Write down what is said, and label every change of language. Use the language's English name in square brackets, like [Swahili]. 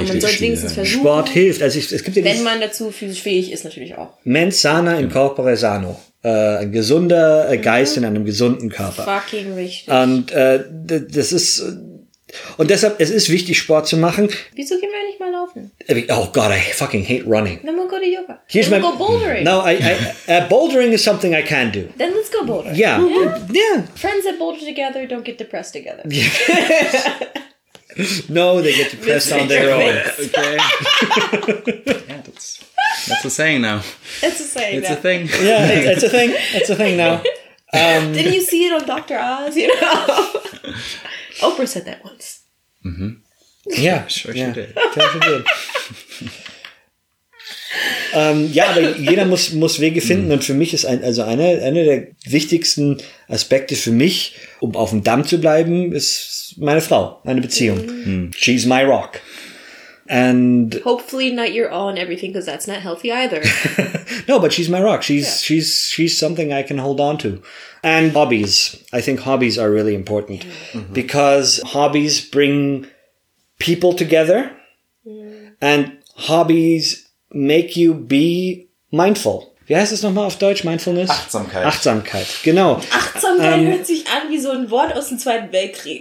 [German] und man sollte wenigstens versuchen. Sport hilft. Also es gibt ja wenn man dazu physisch fähig ist, natürlich auch. [Latin] Mens sana in corpore sano. [German] Ein gesunder Geist in einem gesunden Körper. Fucking richtig. Und das ist. Und deshalb, es ist wichtig, Sport zu machen. Wieso gehen wir nicht mal laufen? [English] Oh God, I fucking hate running. Then we'll go to yoga. Here's then we'll my, go bouldering. No, bouldering is something I can do. Then let's go bouldering. Yeah. Yeah. Friends that boulder together don't get depressed together. No, they get depressed on their own. Okay. Yeah, that's a saying now. It's a saying it's now. It's a thing. Yeah, it's a thing. It's a thing now. Didn't you see it on Dr. Oz, you know? Oprah said that once. Mm-hmm. Yeah, sure yeah. She did. Sure she did. [German] ja, aber jeder muss Wege finden. Mhm. Und für mich ist einer der wichtigsten Aspekte für mich, um auf dem Damm zu bleiben, ist meine Frau, meine Beziehung. Mhm. [English] She's my rock. And hopefully not your all and everything, because that's not healthy either. No, but she's my rock. She's something I can hold on to. And hobbies. I think hobbies are really important. Mm-hmm. Because hobbies bring people together. Mm. And hobbies make you be mindful. [German] Wie heißt das nochmal auf Deutsch? [English] Mindfulness? [German] Achtsamkeit. Achtsamkeit, genau. Achtsamkeit hört sich an wie so ein Wort aus dem Zweiten Weltkrieg.